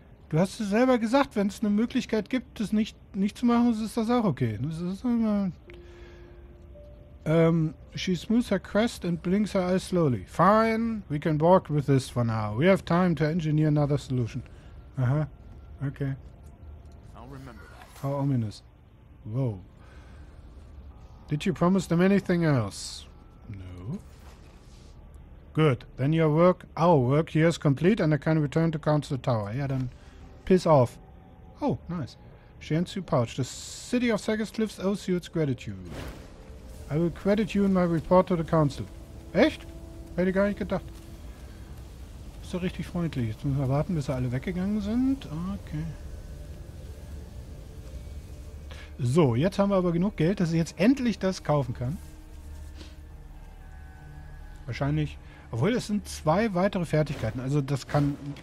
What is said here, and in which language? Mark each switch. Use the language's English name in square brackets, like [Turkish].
[German] Du hast es selber gesagt, wenn es eine Möglichkeit gibt, das nicht zu machen, ist das auch okay. Das ist immer. [English] She smooths her crest and blinks her eyes slowly. Fine, we can work with this for now. We have time to engineer another solution. Uh-huh. Okay. I'll remember that. How ominous. Whoa. Did you promise them anything else? No. Good. Then our work here is complete and I can return to Council Tower. Yeah, then piss off. Oh, nice. She hands you pouch. The city of Sagus Cliffs owes you its gratitude. I will credit you in my report to the council. [German] Echt? Hätte gar nicht gedacht. Ist doch richtig freundlich. Jetzt müssen wir warten, bis sie alle weggegangen sind. Okay. So, jetzt haben wir aber genug Geld, dass ich jetzt endlich das kaufen kann. Wahrscheinlich. Obwohl, es sind zwei weitere Fertigkeiten. Also das kann...